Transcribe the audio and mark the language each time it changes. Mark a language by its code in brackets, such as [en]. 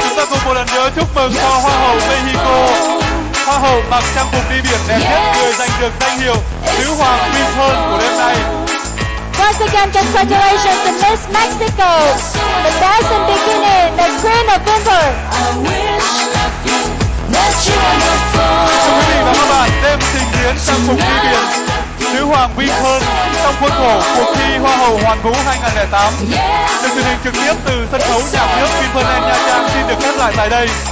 [vi] Chúng ta cùng một lần nữa chúc mừng cho Hoa hậu Mexico. Hoa hậu mặc trang phục đi biển đẹp nhất, người giành được danh hiệu Nữ hoàng Vinpearl của đêm nay. [en] Once again, congratulations to Miss Mexico, the best in bikini, the Queen of Vinpearl. I wish that you are the phone. [vi] Thưa quý vị và các bạn, đêm trình diễn trang phục đi biển Nữ hoàng Vinpearl trong khuôn khổ cuộc thi Hoa hậu Hoàng Vũ 2008 được truyền hình trực tiếp từ sân khấu nhà nước Vinpearl Nha Trang xin được khép lại tại đây.